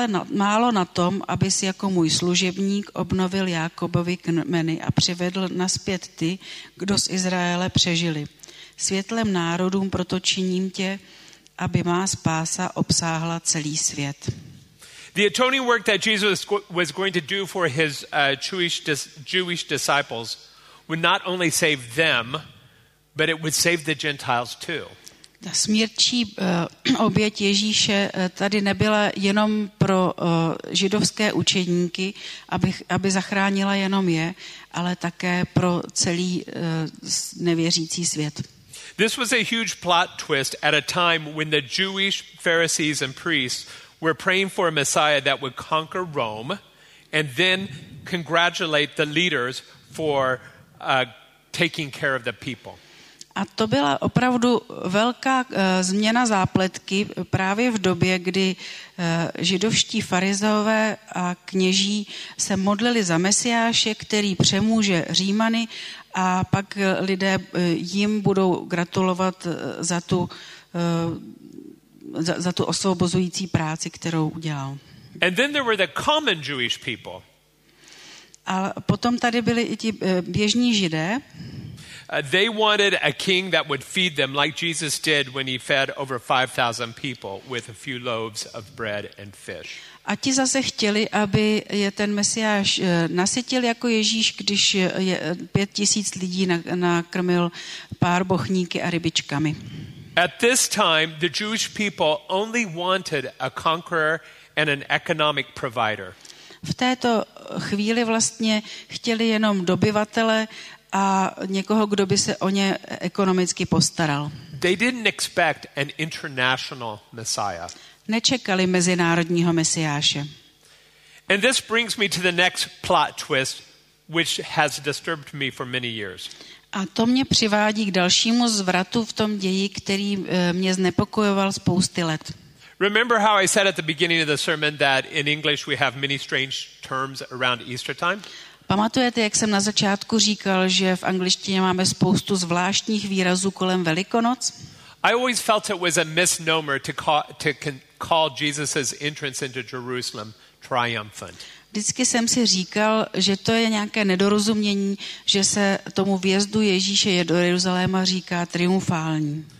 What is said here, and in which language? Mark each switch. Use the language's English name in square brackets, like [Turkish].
[Czech] Málo na tom, abys jako můj služebník obnovil Jákobovi kmeny a přivedl naspět ty, kdo z Izraele přežili. Světlem národům proto činím tě, aby má spása obsáhla celý svět. [English] The atoning work that Jesus was going to do for his Jewish disciples would not only save them, but it would save the Gentiles too. [Czech] Ta smírčí oběť Ježíše tady nebyla jenom pro židovské učedníky, aby zachránila jenom je, ale také pro celý nevěřící svět. [English] This was a huge plot twist at a time when the Jewish Pharisees and priests were praying for a Messiah that would conquer Rome and then congratulate the leaders for taking care of the people. [Czech] A to byla opravdu velká změna zápletky právě v době, kdy židovští farizeové a kněží se modlili za Mesiáše, který přemůže Římany a pak lidé jim budou gratulovat za tu osvobozující práci, kterou udělal. [English] And then there were the common Jewish people. [Czech] A potom tady byli i ti běžní Židé. [English] They wanted a king that would feed them like Jesus did when he fed over 5,000 people with a few loaves of bread and fish. [Czech] A ti zase chtěli, aby je ten Mesiáš nasytil jako Ježíš, když je 5,000 lidí nakrmil pár bochníky a rybičkami. [English] At this time, the Jewish people only wanted a conqueror and an economic provider. [Czech] V této chvíli vlastně chtěli jenom dobyvatele a někoho, kdo by se o ně ekonomicky postaral. [English] They didn't expect an international messiah. [Czech] Nečekali mezinárodního mesiáše. [English] And this brings me to the next plot twist, which has disturbed me for many years. [Czech] A to mě přivádí k dalšímu zvratu v tom ději, který mě znepokojoval spousty let. [English] Remember how I said at the beginning of the sermon that in English we have many strange terms around Easter time? [Czech] Pamatujete, jak jsem na začátku říkal, že v angličtině máme spoustu zvláštních výrazů kolem Velikonoc? [English] I always felt it was a misnomer to call Jesus's entrance into Jerusalem triumphant. [Czech] Vždycky jsem si říkal, že to je nějaké nedorozumění, že se tomu vjezdu Ježíše do Jeruzaléma říká triumfální.